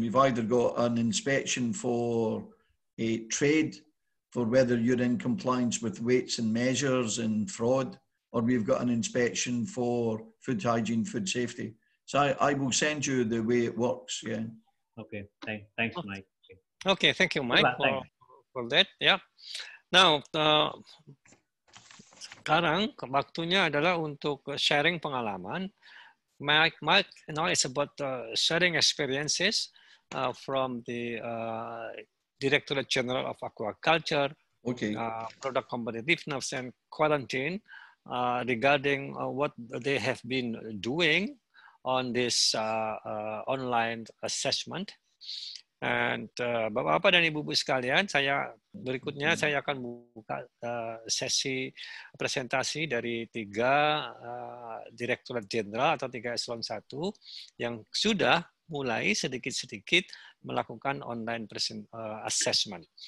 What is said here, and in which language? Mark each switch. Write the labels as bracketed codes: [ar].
[en] We've either got an inspection for a trade, for whether you're in compliance with weights and measures and fraud, or we've got an inspection for food hygiene, food safety. So I will send you the way it works, yeah? Okay, thanks Mike. Okay, thank you, Mike, for that, yeah. [id] Now, sekarang waktunya adalah untuk sharing pengalaman. [en] Mike, you know, it's about sharing experiences from the Director General of Aquaculture, okay. Product Competitiveness and Quarantine, regarding what they have been doing on this online assessment. [id] And Bapak-bapak dan Ibu-ibu sekalian, saya berikutnya saya akan buka sesi presentasi dari tiga Direktorat Jenderal atau tiga eselon 1 yang sudah mulai sedikit-sedikit melakukan online assessment.